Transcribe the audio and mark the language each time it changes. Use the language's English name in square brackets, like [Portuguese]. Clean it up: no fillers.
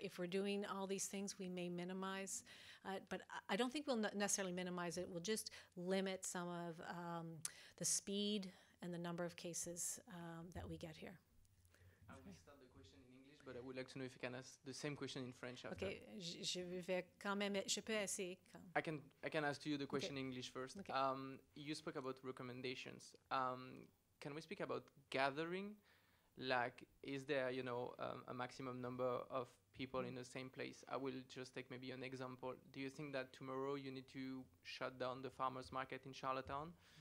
[English] If we're doing all these things, we may minimize. But I don't think we'll necessarily minimize it. We'll just limit some of the speed and the number of cases that we get here. I will start the question in English, but I would like to know if you can ask the same question in French after. [French] Okay, je vais quand même, je peux essayer. [English] I can ask you the question in English first. Okay. You spoke about recommendations. Can we speak about gathering? Like, is there, you know, a maximum number of people in the same place? I will just take maybe an example. Do you think that tomorrow you need to shut down the farmer's market in Charlottetown?